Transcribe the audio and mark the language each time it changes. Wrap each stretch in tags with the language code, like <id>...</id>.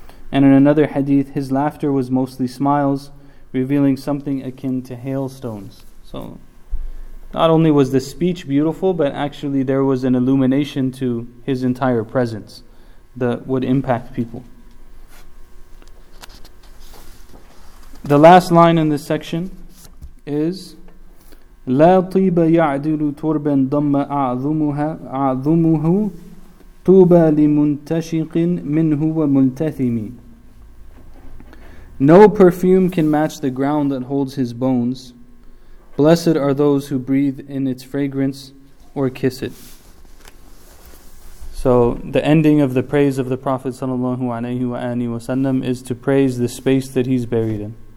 <en>And in another hadith, "His laughter was mostly smiles, revealing something akin to hailstones." So not only was the speech beautiful, but actually there was an illumination to his entire presence that would impact people. The last line in this section is,</en> <ar>لا طيب يعدل تربا ضم أعظمه طوبى لمنتشق منه وملتثم.</ar> <en>No perfume can match the ground that holds his bones. Blessed are those who breathe in its fragrance or kiss it. So the ending of the praise of the Prophet ﷺ is to praise the space that he's buried in.</en>